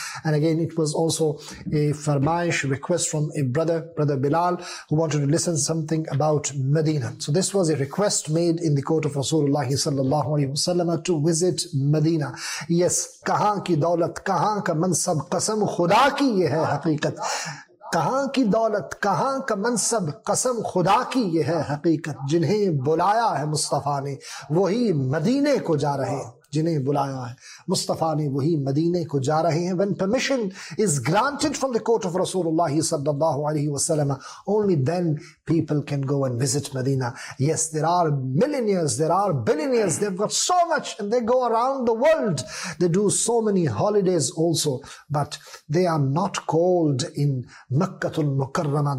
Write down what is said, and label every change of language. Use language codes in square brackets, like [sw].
[en] And again, it was also a farmaish request from a brother Bilal, who wanted to listen something about Medina. So this was a request made in the court of Rasulullah sallallahu alaihi wasallam to visit Medina. [ur] Yes, kahan ki daulat, kahan ka mansab, qasam khuda ki ye hai haqeeqat, کہاں کی دولت، کہاں کا منصب، قسم خدا کی یہ ہے حقیقت، جنہیں بلایا ہے مصطفیٰ نے وہی مدینے کو جا رہے ہیں، جنہیں بلایا ہے مصطفیٰ نے وہی مدینے کو جا رہے ہیں. [en] When permission is granted from the court of Rasulullah sallallahu alaihi wasallam, only then people can go and visit Medina. Yes, there are millionaires, there are billionaires, they've got so much and they go around the world. They do so many holidays also, but they are not called in Makkatul Mukarrama.